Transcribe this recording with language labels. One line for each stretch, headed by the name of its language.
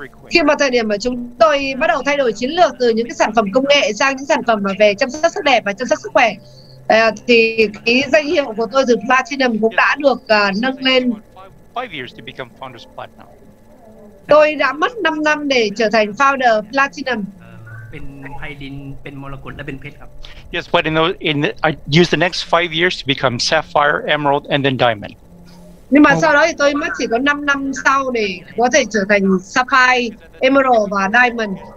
Vietnamese: khi mà thời điểm mà chúng tôi bắt đầu thay đổi chiến lược từ những cái sản phẩm công nghệ sang những sản phẩm mà về chăm sóc sắc đẹp và chăm sóc sức khỏe thì cái danh hiệu của tôi từ Platinum cũng đã được nâng lên.
English: 5 years to become Founders Platinum.
Vietnamese: Tôi đã mất 5 năm để trở thành founder Platinum.
English: Yes, but I used the next 5 years to become Sapphire, Emerald and then Diamond.
Vietnamese: Nhưng mà sau đó thì tôi mất chỉ có 5 năm sau để có thể trở thành Sapphire, Emerald và Diamond.